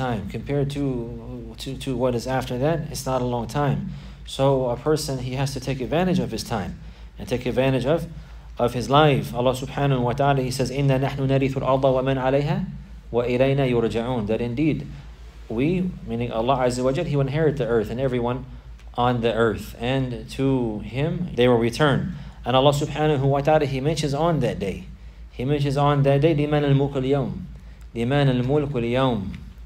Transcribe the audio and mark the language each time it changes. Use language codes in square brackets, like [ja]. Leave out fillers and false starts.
[en] Compared to what is after that, it's not a long time. So a person, he has to take advantage of his time and take advantage of his life. Allah subhanahu wa ta'ala, He says, [ar] إِنَّا نَحْنُ نَرِثُ الْأَرْضَ وَمَنْ عَلَيْهَا وَإِلَيْنَا يُرْجَعُونَ. [en] That indeed, we, meaning Allah Azza wa Jal, He will inherit the earth and everyone on the earth, and to Him they will return. And Allah subhanahu wa ta'ala, He mentions on that day, [ar] لِمَنْ الْمُلْكُ الْيَوْمِ. لِمَنْ الْمُلْكُ الْيَوْمِ.